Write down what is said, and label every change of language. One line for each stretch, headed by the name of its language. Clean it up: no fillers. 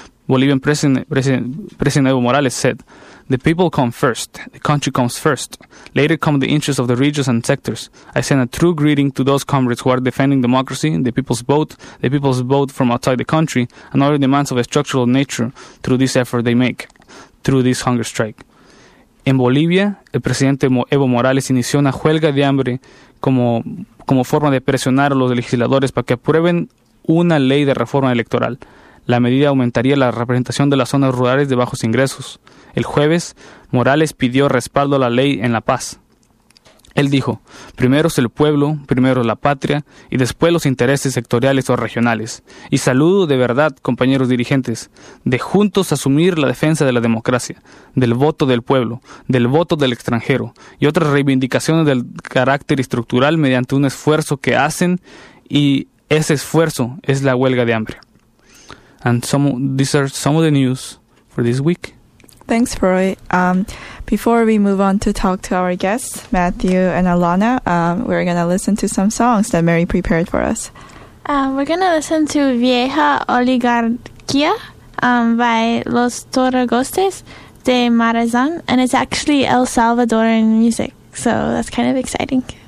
English: Bolivian President Evo Morales said, "The people come first. The country comes first. Later come the interests of the regions and sectors. I send a true greeting to those comrades who are defending democracy, the people's vote from outside the country, and other demands of a structural nature through this effort they make, through this hunger strike."
Spanish: En Bolivia, el presidente Evo Morales inició una huelga de hambre como forma de presionar a los legisladores para que aprueben una ley de reforma electoral. La medida aumentaría la representación de las zonas rurales de bajos ingresos. El jueves, Morales pidió respaldo a la ley en La Paz. Él dijo, "Primero es el pueblo, primero la patria y después los intereses sectoriales o regionales. Y saludo de verdad, compañeros dirigentes, de juntos asumir la defensa de la democracia, del voto del pueblo, del voto del extranjero y otras reivindicaciones del carácter estructural mediante un esfuerzo que hacen y ese esfuerzo es la huelga de hambre."
English: And these are some of the news for this week. Thanks, Roy. Before we move on to talk to our guests, Matthew and Alana, we're going to listen to some songs that Mary prepared for us. We're going to listen to Vieja Oligarquía by Los Torregostes de Marazán, and it's actually El Salvadoran music, so that's kind of exciting.